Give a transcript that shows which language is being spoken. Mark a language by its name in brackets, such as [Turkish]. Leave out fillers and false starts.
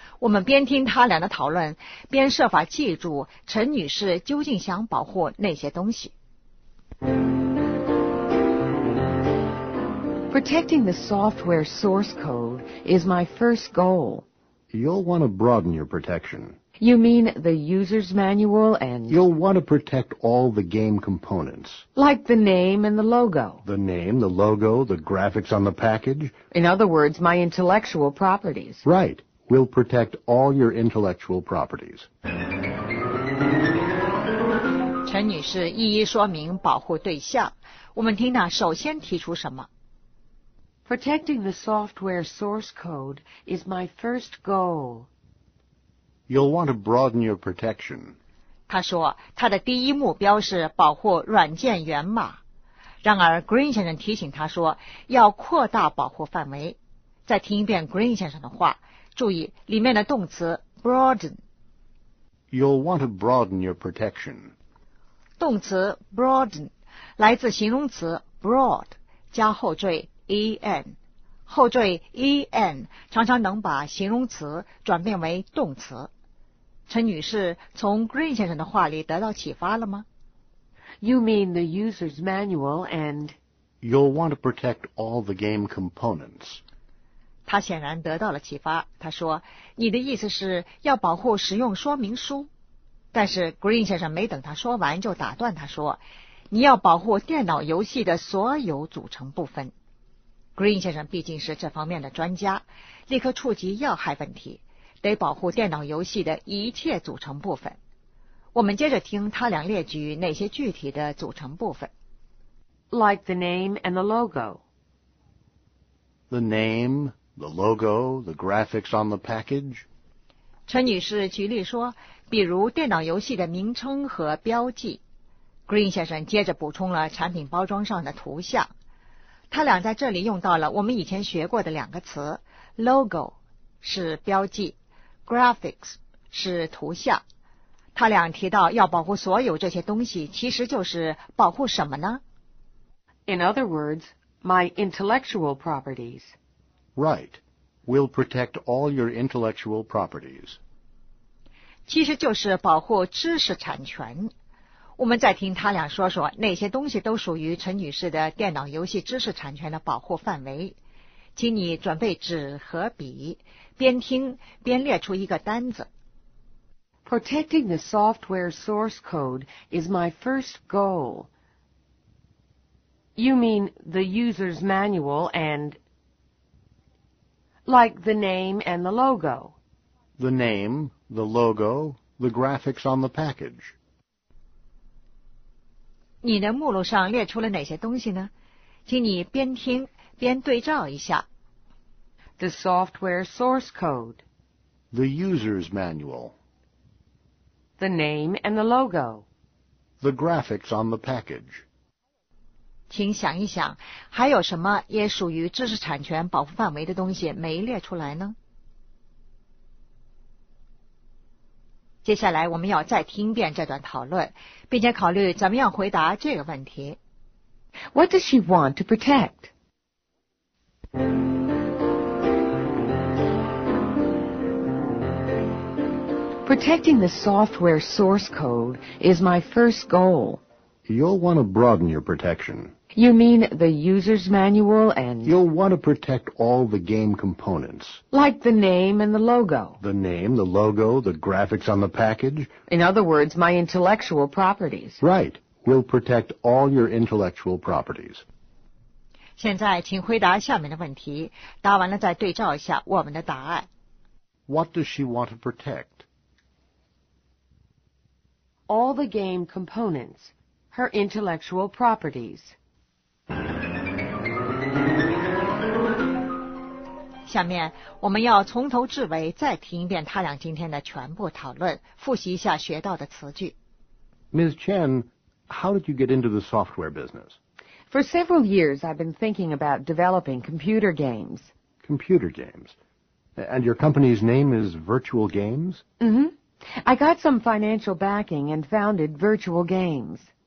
[Chinese] 我们边听他俩的讨论，边设法记住陈女士究竟想保护那些东西。 [English] Protecting the software source code is my first goal. You'll want to broaden your protection. You mean the user's manual and... You'll want to protect all the game components. Like the name and the logo. The name, the logo, the graphics on the package. In other words, my intellectual properties. Right. We'll protect all your intellectual properties. [Chinese] 陈女士一一说明保护对象。我们听到首先提出什么？ [English] Protecting the software source code is my first goal. You'll want to broaden your protection. [Chinese] 他说他的第一目标是保护软件源码。然而 Green 先生提醒他说要扩大保护范围。再听一遍 Green 先生的话，注意里面的动词 broaden。 [English] You'll want to broaden your protection. [Chinese] 动词 broaden 来自形容词 broad 加后缀 en。后缀 en 常常能把形容词转变为动词。陈女士从 Green 先生的话里得到启发了吗？ [English] You mean the user's manual and... You'll want to protect all the game components. [Chinese] 她显然得到了启发。她说你的意思是要保护使用说明书。但是 Green 先生没等她说完就打断她说你要保护电脑游戏的所有组成部分。 Green 先生毕竟是这方面的专家，立刻触及要害问题，得保护电脑游戏的一切组成部分。我们接着听他俩列举哪些具体的组成部分。 [English] Like the name and the logo. The name, the logo, the graphics on the package. [Chinese] 陈女士举例说，比如电脑游戏的名称和标记。 Green 先生接着补充了产品包装上的图像。他俩在这里用到了我们以前学过的两个词 ,logo 是标记 ,graphics 是图像。他俩提到要保护所有这些东西，其实就是保护什么呢？ [English] In other words, my intellectual properties. Right. We'll protect all your intellectual properties. [Chinese] 其实就是保护知识产权。我们再听他俩说说哪些东西都属于陈女士的电脑游戏知识产权的保护范围。请你准备纸和笔，边听边列出一个单子。 [English] Protecting the software source code is my first goal. You mean the user's manual and... Like the name and the logo. The name, the logo, the graphics on the package. [Chinese] 你的目录上列出了哪些东西呢？请你边听边对照一下。 [English] The software source code. The user's manual. The name and the logo. The graphics on the package. [Chinese] 请想一想，还有什么也属于知识产权保护范围的东西没列出来呢？接下来我们要再听遍这段讨论，并且考虑怎么样回答这个问题。 [English] What does she want to protect? Protecting the software source code is my first goal. You'll want to broaden your protection. You mean the user's manual and... You'll want to protect all the game components. Like the name and the logo. The name, the logo, the graphics on the package. In other words, my intellectual properties. Right. We'll protect all your intellectual properties. [Chinese] 现在请回答下面的问题，答完了再对照一下我们的答案。 [English] What does she want to protect? All the game components, her intellectual properties. [Chinese] 下面我们要从头至尾再听一遍他俩今天的全部讨论，复习一下学到的词句。 [English] Ms. Chen, how did you get into the software business? For several years, I've been thinking about developing computer games. Computer games? And your company's name is Virtual Games? Mm-hmm. I got some financial backing and founded Virtual Games.